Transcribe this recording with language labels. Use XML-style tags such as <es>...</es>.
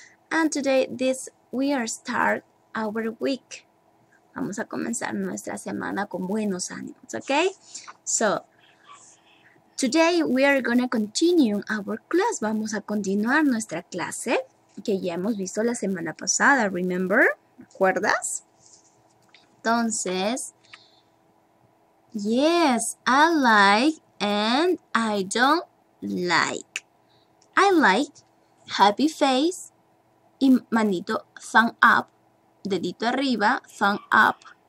<en>And today this we are start our week.</en> <es>Vamos a comenzar nuestra semana con buenos ánimos, ¿okay?</es> <en>So, today we are going to continue our class.</en> <es>Vamos a continuar nuestra clase que ya hemos visto la semana pasada,</es> <en>remember?</en> <es>¿Recuerdas? Entonces,</es> <en>yes, I like and I don't like. I like happy face</en> <es>y manito</es> <en>thumb up,</en> <es>dedito arriba,</es> <en>thumb up.</en>